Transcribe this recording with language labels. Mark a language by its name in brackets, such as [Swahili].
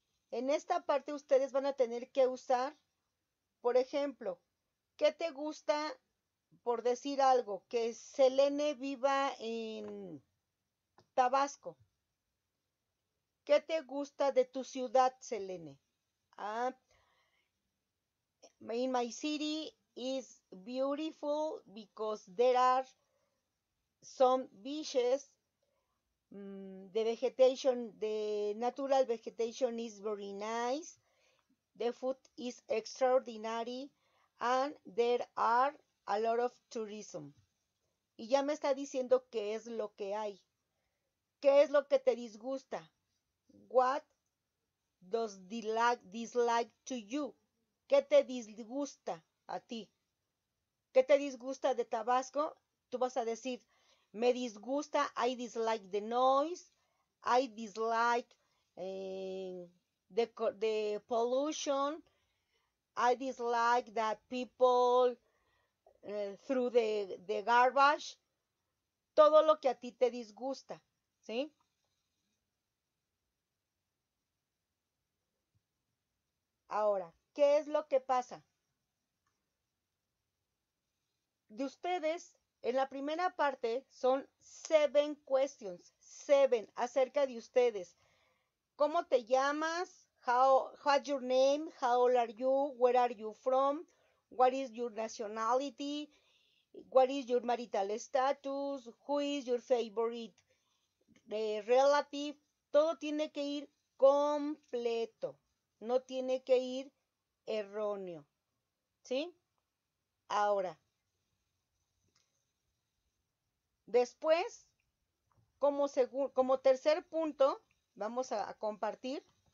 [Spanish] En esta parte ustedes van a tener que usar, por ejemplo, ¿qué te gusta, por decir algo, que Selene viva en Tabasco? ¿Qué te gusta de tu ciudad, Selene? [English] In my city is beautiful because there are some beaches. The vegetation, the natural vegetation is very nice. The food is extraordinary. And there are a lot of tourism. [Spanish] Y ya me está diciendo qué es lo que hay. ¿Qué es lo que te disgusta? [English] What does dislike to you? [Spanish] ¿Qué te disgusta a ti? ¿Qué te disgusta de Tabasco? Tú vas a decir, me disgusta, [English] I dislike the noise, I dislike the pollution, I dislike that people threw the garbage. [Spanish] Todo lo que a ti te disgusta, ¿sí? Ahora, ¿qué es lo que pasa? De ustedes, en la primera parte, son 7 questions. 7 acerca de ustedes. ¿Cómo te llamas? [English] What's your name? How old are you? Where are you from? What is your nationality? What is your marital status? Who is your favorite relative? [Spanish] Todo tiene que ir completo. No tiene que ir erróneo, ¿sí? Ahora, después, como tercer punto, vamos a compartir.